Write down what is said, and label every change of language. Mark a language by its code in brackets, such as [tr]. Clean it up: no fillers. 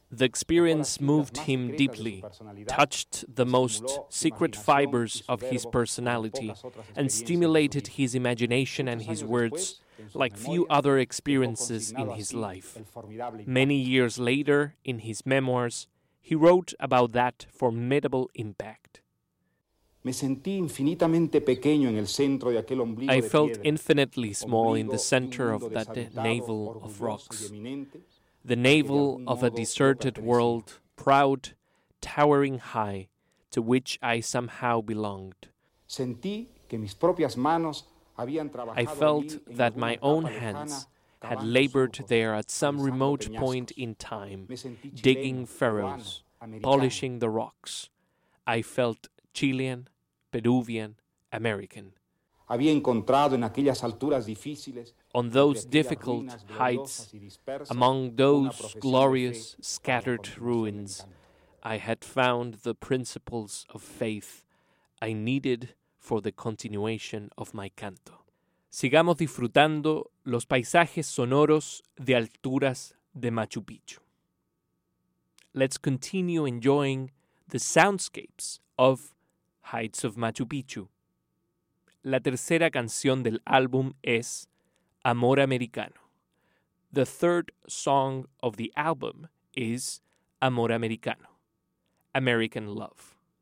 [en] The experience moved him deeply, touched the most secret fibers of his personality, and stimulated his imagination and his words like few other experiences in his life. Many years later, in his memoirs, he wrote about that formidable impact. [es] Me sentí infinitamente pequeño en el centro de aquel ombligo de piedra. [en] I felt infinitely small in the center of that navel of rocks. The navel of a deserted world, proud, towering high, to which I somehow belonged. [es] Sentí que mis propias manos habían trabajado. [en] I felt that my own hands had labored there at some remote point in time, digging furrows, polishing the rocks. I felt Chilean, Peruvian, American. [es] Había encontrado en aquellas alturas difíciles. [en] On those difficult heights, among those glorious scattered ruins, I had found the principles of faith I needed for the continuation of my canto. [es] Sigamos disfrutando los paisajes sonoros de Alturas de Machu Picchu. [en] Let's continue enjoying the soundscapes of Heights of Machu Picchu. [es] La tercera canción del álbum es Amor Americano. [en] The third song of the album is Amor Americano, American Love.